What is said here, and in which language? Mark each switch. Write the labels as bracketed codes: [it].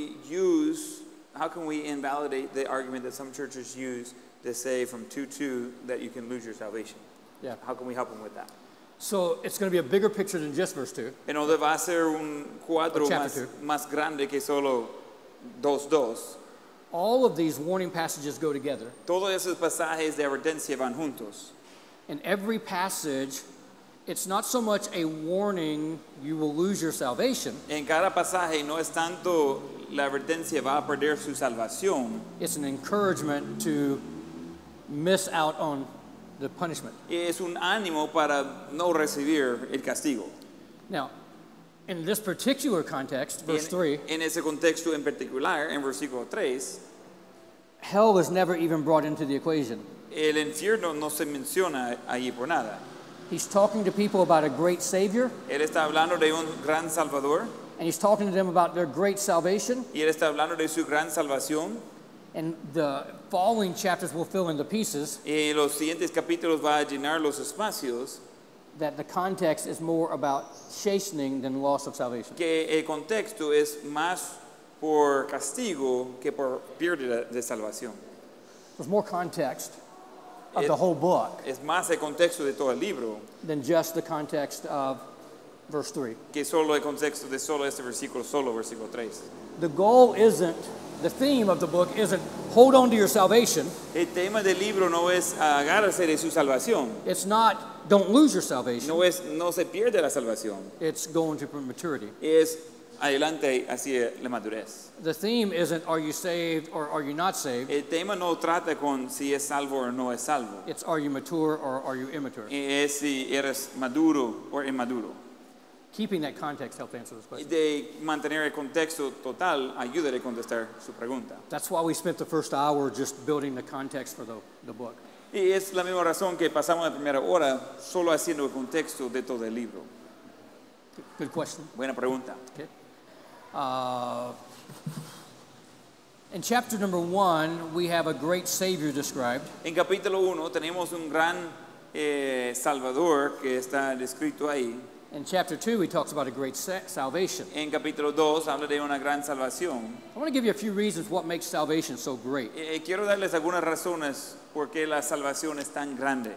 [en] How can we invalidate the argument that some churches use to say from 2:2 that you can lose your salvation? Yeah. How can we help them with that? So it's going to be a bigger picture than just verse 2. [es] En donde va a ser un cuadro más grande que solo 2:2. [en] All of these warning passages go together. [es] Todos esos pasajes de advertencia van juntos. [en] In every passage, it's not so much a warning you will lose your salvation. [es] En cada pasaje no es tanto la advertencia va a perder su salvación. [en] It's an encouragement to miss out on the punishment. [es] Es un ánimo para no recibir el castigo. [en] Now, in this particular context, verse 3. [es] En ese contexto en particular, en versículo 3, [en] Hell was never even brought into the equation. [es] El infierno no se menciona allí por nada. [en] He's talking to people about a great Savior. [es] Él está hablando de un gran Salvador. [en] And he's talking to them about their great salvation. [es] Y él está hablando de su gran salvación. [en] And the following chapters will fill in the pieces. [es] Y los siguientes capítulos va a llenar los espacios. [en] That the context is more about chastening than loss of salvation. [es] Que el contexto es más por castigo que por pérdida de salvación. [en] There's more context of the whole book. [es] Es más el contexto de todo el libro. [en] Than just the context of verse 3. [es] Que solo el contexto de solo este versículo, solo versículo 3. [en] The goal isn't, the theme of the book isn't hold on to your salvation. [es] El tema del libro no es agárrese de su salvación. [en] It's not don't lose your salvation. [es] No es no se pierde la salvación. [en] It's going to maturity. [es] Es adelante hacia la madurez. [en] The theme isn't are you saved or are you not saved. [es] El tema no trata con si es salvo o no es salvo. [en] It's are you mature or are you immature. [es] Es si eres maduro o inmaduro. [en] Keeping that context helps answer this question. [es] De mantener el contexto total ayuda a contestar su pregunta. [en] That's why we spent the first hour just building the context for the book. [es] Y es la misma razón que pasamos la primera hora solo haciendo el contexto de todo el libro. [en] Good question. [es] Buena pregunta. [en] Okay. In chapter number 1, we have a great Savior described. [es] En capítulo 1 tenemos un gran Salvador que está descrito ahí. [en] In chapter 2, he talks about a great salvation. [es] En capítulo 2, habla de una gran salvación. [en] I want to give you a few reasons what makes salvation so great. [es] Quiero darles algunas razones por qué la salvación es tan grande.